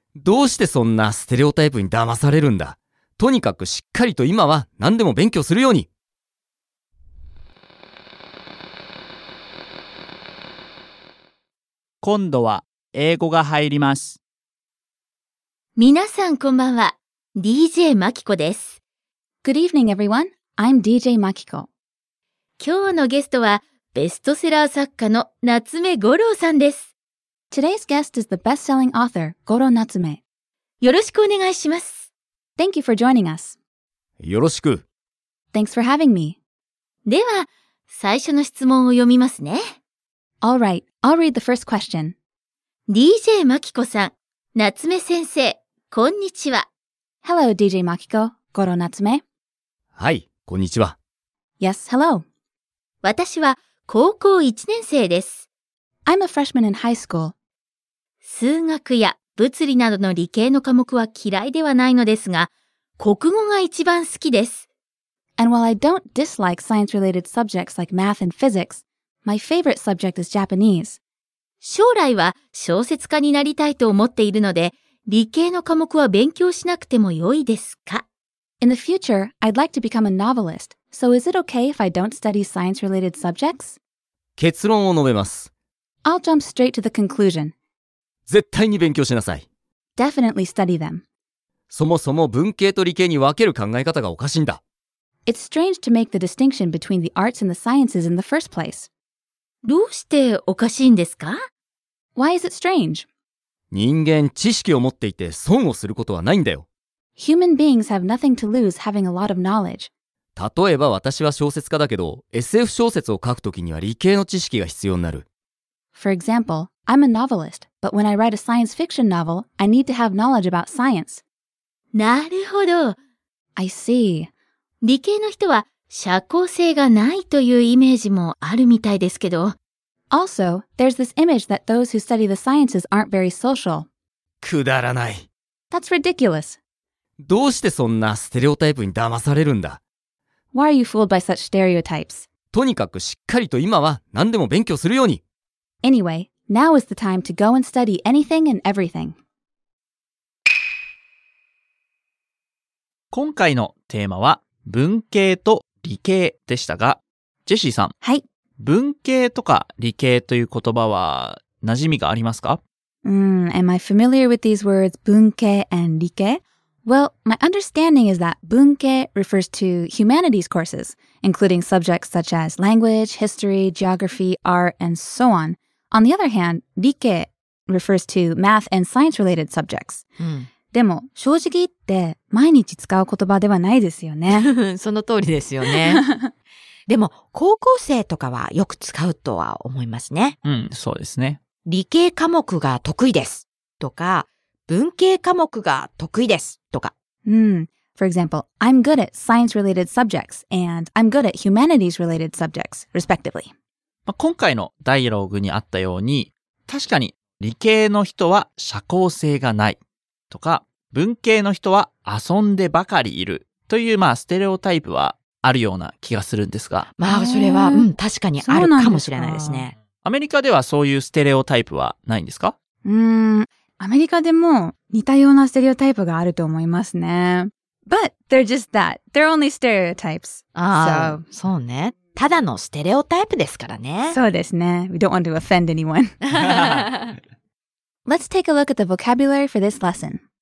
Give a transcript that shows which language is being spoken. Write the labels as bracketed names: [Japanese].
[Japanese] どうしてそんなステレオタイプに騙されるんだ。とにかくしっかりと今は何でも勉強するように。今度は英語が入ります。皆さんこんばんは、 DJ マキコです。 [English] Good evening everyone, I'm DJ マキコ。 [Japanese] 今日のゲストはベストセラー作家の夏目五郎さんです。 [English] Today's guest is the best-selling author, Goro Natsume. [Japanese] よろしくお願いします。 [English] Thank you for joining us. [Japanese] よろしく。 [English] Thanks for having me. [Japanese] では、最初の質問を読みますね。 [English] All right, I'll read the first question. [Japanese] DJ マキコさん、夏目先生、こんにちは。 [English] Hello, DJ マキコ、Goro Natsume. [Japanese] はい、こんにちは。 [English] Yes, hello. [Japanese] 私は、高校1年生です。 [English] I'm a freshman in high school. [Japanese] 数学や物理などの理系の科目は嫌いではないのですが、国語が一番好きです。 [English] And while I don't dislike science-related subjects like math and physics, my favorite subject is Japanese. [Japanese] 将来は小説家になりたいと思っているので、理系の科目は勉強しなくても良いですか？ [English] In the future, I'd like to become a novelist. So is it okay if I don't study science-related subjects? [Japanese] 結論を述べます。 [English] I'll jump straight to the conclusion. [Japanese] 絶対に勉強しなさい。 [English] Definitely study them. [Japanese] そもそも文系と理系に分ける考え方がおかしいんだ。 [English] It's strange to make the distinction between the arts and the sciences in the first place. [Japanese] どうしておかしいんですか？ [English] Why is it strange? [Japanese] 人間、知識を持っていて損をすることはないんだよ。 [English] Human beings have nothing to lose having a lot of knowledge. [Japanese] 例えば私は小説家だけど、SF 小説を書くときには理系の知識が必要になる。 [English] For example, I'm a novelist, but when I write a science fiction novel, I need to have knowledge about science. [Japanese] なるほど。 [English] I see. [Japanese] 理系の人は社交性がないというイメージもあるみたいですけど。 [English] Also, there's this image that those who study the sciences aren't very social. [Japanese] くだらない。 [English] That's ridiculous. [Japanese] どうしてそんなステレオタイプに騙されるんだ? [English] Why are you fooled by such stereotypes? [Japanese] とにかくしっかりと今は何でも勉強するように。 [English] Anyway, now is the time to go and study anything and everything. [Japanese] 今回のテーマは文系と理系でしたが、ジェシーさん。はい。文系とか理系という言葉は馴染みがありますか? [English] Am I familiar with these words 文系 and 理系? Well, my understanding is that 文系 refers to humanities courses, including subjects such as language, history, geography, art, and so on. On the other hand, 理系 refers to math and science related subjects. [Japanese] でも正直言って毎日使う言葉ではないですよね。その通りですよね。でも高校生とかはよく使うとは思いますね。うん、そうですね。理系科目が得意ですとか、文系科目が得意ですとか。うん。 [English] For example, I'm good at science-related subjects and I'm good at humanities-related subjects, respectively. [Japanese] 今回のダイアログにあったように、確かに理系の人は社交性がないとか、文系の人は遊んでばかりいるというまあステレオタイプはあるような気がするんですが。まあ、それは、うん、確かにあるかもしれないですね。アメリカではそういうステレオタイプはないんですか? アメリカでも似たようなステレオタイプがあると思いますね。 [English] But they're just that. They're only stereotypes. So. [Japanese] そうね。ただのステレオタイプですからね。そうですね。 [English] We don't want to offend anyone. Let's take a look at the vocabulary for this lesson.